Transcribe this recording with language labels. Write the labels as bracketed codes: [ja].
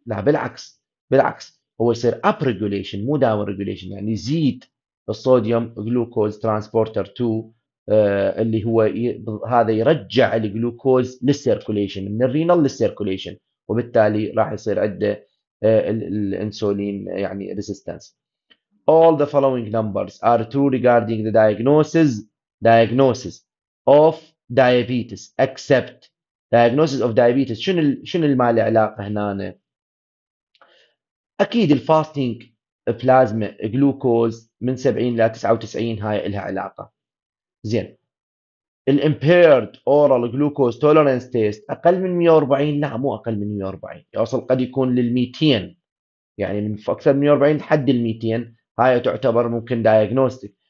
[ar] لا بالعكس، بالعكس هو يصير up regulation مو down regulation، يعني يزيد الصوديوم glucose transporter 2 اللي هو هذا يرجع الجلوكوز للسيركوليشن من الرينال للسيركوليشن، وبالتالي راح يصير عنده الانسولين يعني ريزيستنس. [en] all the following numbers are true regarding the diagnosis of diabetes except diagnosis of diabetes. [ar] شنو اللي ما له علاقه هنا؟ اكيد الفاستنج بلازما جلوكوز من 70 الى 99 هاي لها علاقه. زين، الامبيرد اورال جلوكوز تولرنس تيست اقل من 140؟ لا مو اقل من 140، يوصل قد يكون لل 200، يعني من اكثر من 140 لحد ال 200 هاي تعتبر ممكن دايجنوستيك.